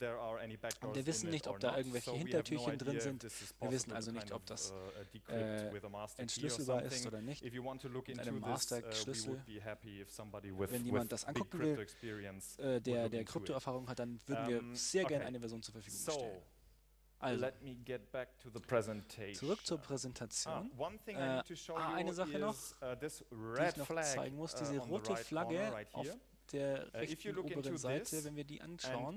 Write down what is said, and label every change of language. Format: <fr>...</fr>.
<de>Und wir wissen nicht, ob da irgendwelche Hintertürchen drin sind. Wir wissen also nicht, ob das entschlüsselbar ist oder nicht. Mit einem Master-Schlüssel. Wenn jemand das angucken will, der Krypto-Erfahrung hat, dann würden wir sehr gerne eine Version zur Verfügung stellen.</de> <en>Also, let me get back to the presentation.</en> <de>Zurück zur Präsentation. Eine Sache noch, die ich noch zeigen muss, diese rote Flagge auf der rechten oberen Seite, wenn wir die anschauen,</de>